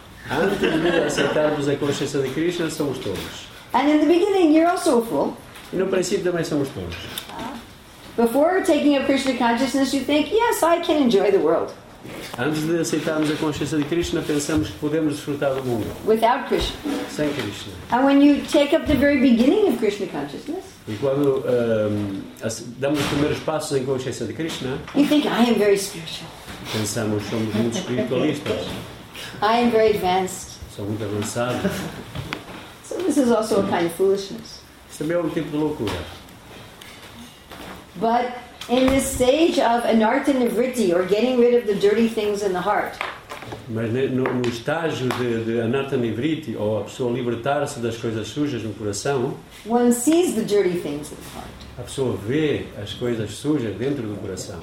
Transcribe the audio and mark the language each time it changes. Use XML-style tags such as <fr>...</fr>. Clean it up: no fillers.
<pt>Antes de aceitarmos a consciência de Krishna, somos tolos.</pt> <en>And in the beginning, you're also a fool.</en> <pt>E no princípio também somos tolos.</pt> <en>Before taking up Krishna consciousness, you think, yes, I can enjoy the world.</en> <pt>Antes de aceitarmos a consciência de Krishna, pensamos que podemos desfrutar do mundo.</pt> <en>Without Krishna.</en> <pt>Sem Krishna.</pt> <en>And when you take up the very beginning of Krishna consciousness.</en> <pt>E quando damos os primeiros passos em consciência de Krishna.</pt> <en>You think I am very spiritual.</en> <pt>Pensamos que somos muito espiritualistas.</pt> <en>I am very advanced.</en> <pt>Sou muito avançado.</pt> <en>So this is also a kind of foolishness.</en> <pt>Isso também é um tipo de loucura.</pt> <en>But in this stage of anartha nivritti, or getting rid of the dirty things in the heart.</en> <pt>Mas no estágio de anartha nivritti, ou a pessoa libertar-se das coisas sujas no coração.</pt> <en>One sees the dirty things in the heart.</en> <pt>A pessoa vê as coisas sujas dentro do coração.</pt>